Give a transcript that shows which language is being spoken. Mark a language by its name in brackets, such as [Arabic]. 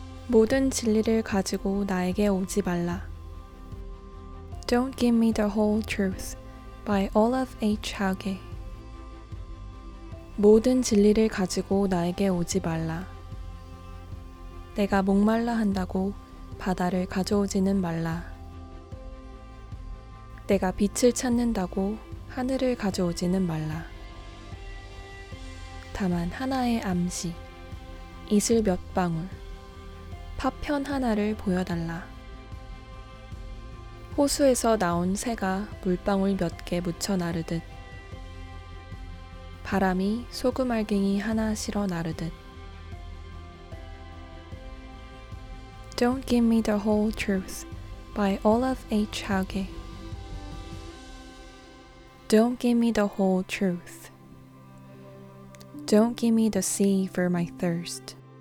[Korean] 모든 진리를 가지고 나에게 오지 말라. [English] Don't give me the whole truth by Olaf H. Hauge. [Korean] 모든 진리를 가지고 나에게 오지 말라. 내가 목말라 한다고 바다를 가져오지는 말라. 내가 빛을 찾는다고 하늘을 가져오지는 말라. 다만 하나의 암시, 이슬 몇 방울, 파편 하나를 보여달라. 호수에서 나온 새가 물방울 몇 개 묻혀 나르듯, 바람이 소금알갱이 하나 실어 나르듯. [English] Don't give me the whole truth by Olaf H. Hauge. Don't give me the whole truth. Don't give me the sea for my thirst.